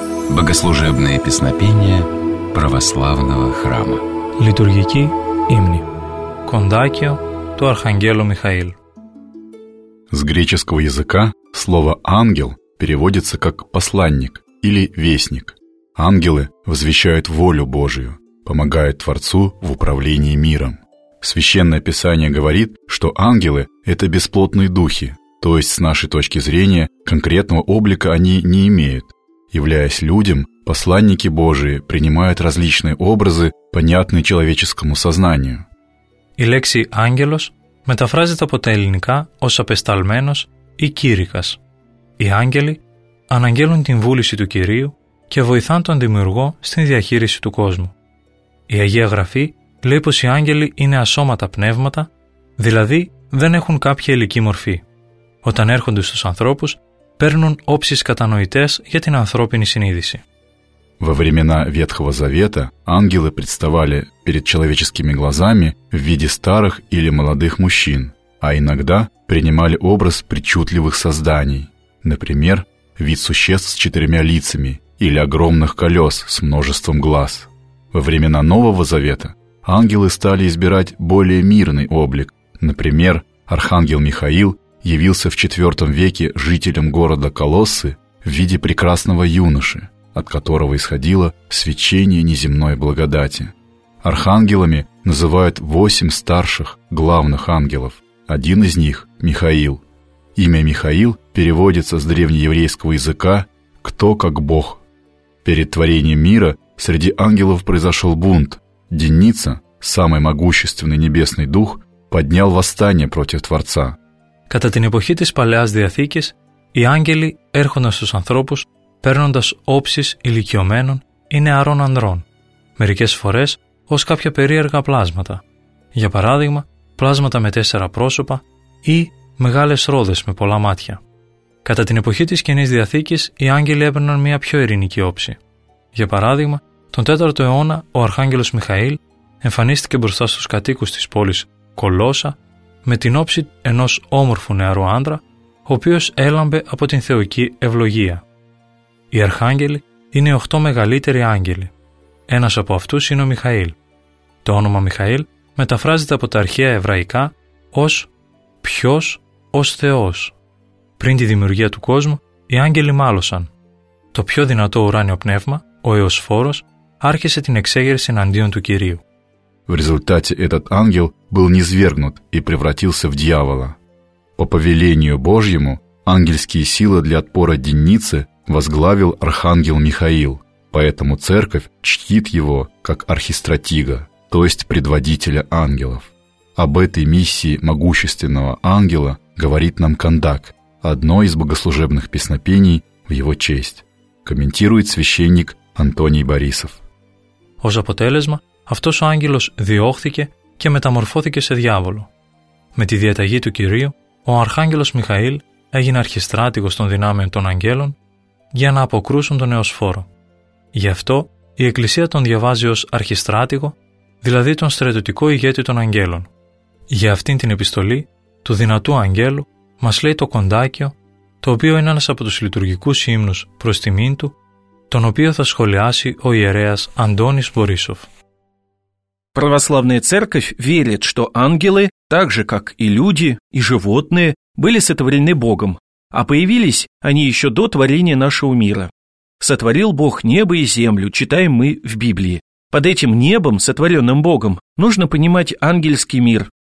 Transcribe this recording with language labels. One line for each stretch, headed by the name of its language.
Russian: Богослужебные песнопения православного храма.
Greek: Λειτουργική ύμνη. Κοντάκιο του Αρχαγγέλου Михаил.
Russian: С греческого языка слово «ангел» переводится как «посланник» или «вестник». Ангелы возвещают волю Божию, помогают Творцу в управлении миром. Священное Писание говорит, что ангелы – это бесплотные духи, то есть с нашей точки зрения конкретного облика они не имеют. Являясь людям, посланники Божии принимают различные образы, понятные человеческому сознанию.
Greek: Η λέξη «ангелος» μεταφράζεται από τα ελληνικά ως «απεσταλμένος» ή «κήρυκας». Οι άγγελοι αναγγέλουν την βούληση του Κυρίου και βοηθάν τον Δημιουργό στην διαχείριση του κόσμου. Η Αγία Γραφή λέει πως οι άγγελοι είναι ασώματα πνεύματα, δηλαδή δεν έχουν κάποια υλική μορφή. Όταν έρχονται στους ανθρώπους, παίρνουν όψεις κατανοητές για την ανθρώπινη συνείδηση.
Russian: Во времена Ветхого Завета ангелы представали перед человеческими глазами в виде старых или молодых мужчин, а иногда принимали образ причудливых созданий, например, вид существ с четырьмя лицами или огромных колес с множеством глаз. Во времена Нового Завета ангелы стали избирать более мирный облик. Например, архангел Михаил явился в IV веке жителям города Колоссы в виде прекрасного юноши, от которого исходило свечение неземной благодати. Архангелами называют 8 старших главных ангелов. Один из них – Михаил. Имя Михаил переводится с древнееврейского языка «кто как Бог». Перед творением мира среди ангелов произошел бунт. Деница, самый могущественный небесный дух, поднял восстание против Творца.
Greek: Κατά την εποχή της Παλαιάς Διαθήκης, οι άγγελοι έρχονταν στους ανθρώπους, παίρνοντας όψεις ηλικιωμένων ή νεαρών ανδρών, μερικές φορές ως κάποια περίεργα πλάσματα. Για παράδειγμα, πλάσματα με 4 πρόσωπα ή μεγάλες ρόδες με πολλά μάτια. Κατά την εποχή της Καινής Διαθήκης, οι άγγελοι έπαιρναν μια πιο ειρηνική όψη. Για παράδειγμα, τον 4ο αιώνα ο Αρχάγγελος Μιχαήλ εμφανίστηκε μπροστά στους κατοίκους της πόλης Κολόσα με την όψη ενός όμορφου νεαρού άντρα, ο οποίος έλαμπε από την θεοκή ευλογία. Οι αρχάγγελοι είναι 8 μεγαλύτεροι άγγελοι. Ένας από αυτούς είναι ο Μιχαήλ. Το όνομα Μιχαήλ μεταφράζεται από τα αρχαία εβραϊκά ως «ποιος ως Θεός». Πριν τη δημιουργία του κόσμου, οι άγγελοι μάλωσαν. Το πιο δυνατό ουράνιο πνεύμα, ο Αιωσφόρος, άρχισε την εξέγερση εναντίον του Κυρίου.
Russian: В результате этот ангел был низвергнут и превратился в дьявола. По повелению Божьему, ангельские силы для отпора Деницы возглавил архангел Михаил, поэтому церковь чтит его как архистратига, то есть предводителя ангелов. Об этой миссии могущественного ангела говорит нам Кандак, одно из богослужебных песнопений в его честь, комментирует священник Антоний Борисов.
Greek: Ως αποτέλεσμα, αυτός ο άγγελος διώχθηκε και μεταμορφώθηκε σε διάβολο. Με τη διαταγή του Κυρίου, ο αρχάγγελος Μιχαήλ έγινε αρχιστράτηγος των δυνάμεων των αγγέλων για να αποκρούσουν τον Αιωσφόρο. Γι' αυτό η Εκκλησία τον διαβάζει ως αρχιστράτηγο, δηλαδή τον στρατιωτικό ηγέτη των αγγέλων. Για αυτήν την επιστολή του δυνατού αγγέλου μας λέει το Κοντάκιο, το οποίο είναι ένας από τους λειτουργικούς ύμνους προς τιμήν του, τον οποίο θα σχολιάσει ο ιερέας Αντώνης Μπορίσοφ.
Russian: Православная церковь верит, что ангелы, так же как и люди, и животные, были сотворены Богом, а появились они еще до творения нашего мира. «Сотворил Бог небо и землю», читаем мы в Библии. Под этим небом, сотворенным Богом, нужно понимать ангельский мир.